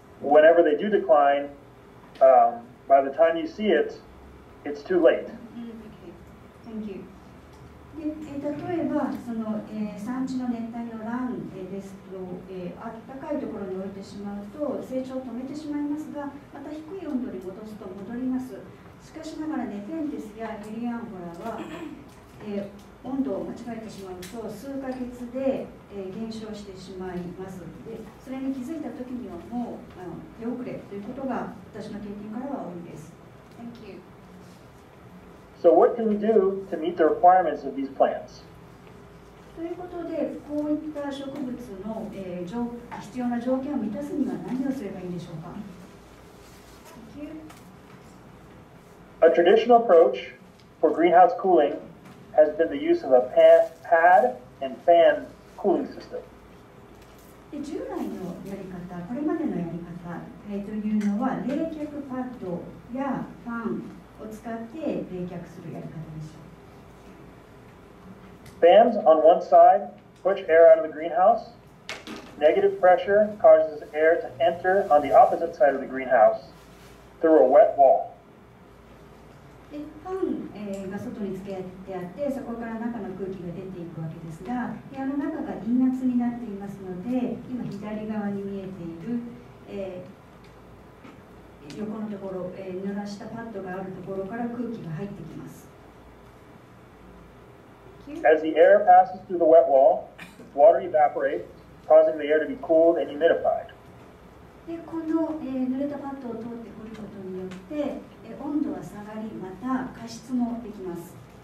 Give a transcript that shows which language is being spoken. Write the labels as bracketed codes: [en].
[en] Whenever they do decline, by the time you see it, it's too late. Thank you. [ja] で、例えばその、産地の熱帯のラン、ですと、暖かいところに置いてしまうと成長を止めてしまいますが、また低い温度に戻すと戻ります。しかしながらネペンテスやヘリアンフォラは、温度を間違えてしまうと数ヶ月で減少してしまいます。で、それに気づいた時にはもう手遅れということが私の経験からは多いです。 [en] Thank you. So what can we do to meet the requirements of these plants? [ja] ということで、こういった植物の、必要な条件を満たすには何をすればいいんでしょうか。 [en] Thank you. A traditional approach for greenhouse coolingHas been the use of a pad and fan cooling system. [ja] The 従来のやり方、これまでのやり方、というのは冷却パッドやファンを使って冷却するやり方でした。 [en] Fans on one side push air out of the greenhouse. Negative pressure causes air to enter on the opposite side of the greenhouse through a wet wall. [ja] で、ファンが外につけてあって、そこから中の空気が出ていくわけですが、部屋の中が陰圧になっていますので、今左側に見えている、横のところ、濡らしたパッドがあるところから空気が入ってきます。 [en] As the air passes through the wet wall, water evaporates, causing the air to be cooled and humidified. [ja] で、この、濡れたパッドを通ってくることによって、温度は下がり、また加湿もできます。